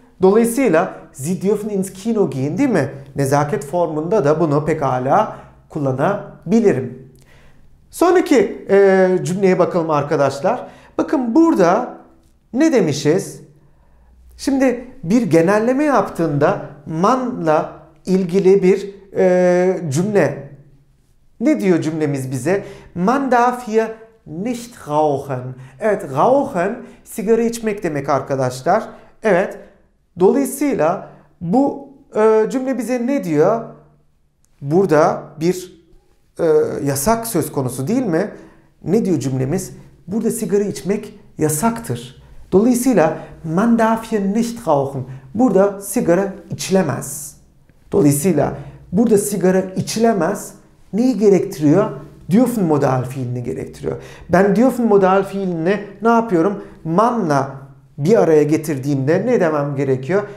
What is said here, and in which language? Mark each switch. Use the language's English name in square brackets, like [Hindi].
[Turkish] Dolayısıyla [German] Sie dürfen ins Kino gehen, [Turkish] değil mi? Nezaket formunda da bunu pekala kullanabilirim. Sonraki cümleye bakalım arkadaşlar. Bakın burada ne demişiz? Şimdi bir genelleme yaptığında man'la ilgili bir cümle. Ne diyor cümlemiz bize? [German] Man darf hier nicht rauchen. [Turkish] Evet, rauchen sigara içmek demek arkadaşlar. Evet, dolayısıyla bu cümle bize ne diyor? Burada bir yasak söz konusu değil mi? Ne diyor cümlemiz? Burada sigara içmek yasaktır. Dolayısıyla [German] man darf hier nicht rauchen. [Turkish] Burada sigara içilemez. Dolayısıyla burada sigara içilemez neyi gerektiriyor? Dürfen modal fiilini gerektiriyor. Ben dürfen modal fiilini ne yapıyorum? Man'la bir araya getirdiğimde ne demem gerekiyor?